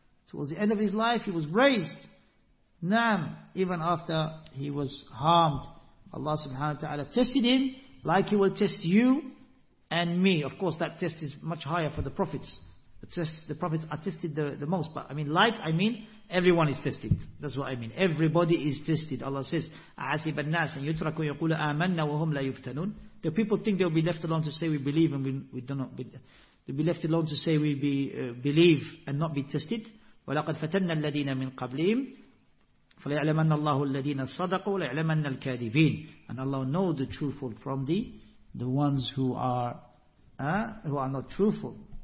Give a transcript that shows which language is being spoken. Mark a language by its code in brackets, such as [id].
[en] Towards the end of his life, he was raised. Naam, even after he was harmed, Allah subhanahu wa ta'ala tested him like he will test you and me. Of course, that test is much higher for the prophets. The prophets are tested the most. But I mean, like, I mean, everyone is tested. That's what I mean. Everybody is tested. Allah says, [ar] أَعَسِبَ النَّاسَ أَن يُتْرَكُوا يَقُولَ آمَنَّا وَهُمْ لَا يُفْتَنُونَ. [en] The people think they'll be left alone to say we believe and we do not believe. They'll be left alone to say we believe and not be tested. [ar] وَلَقَدْ فَتَنَّا الَّذِينَ مِنْ قَبْلِهِمْ فَلَيَعْلَمَنَّ اللَّهُ الَّذِينَ صَدَقُوا وَلَيَعْلَمَنَّ الْكَاذِبِينَ. [en] And Allah will know the truthful from the ones who are not truthful.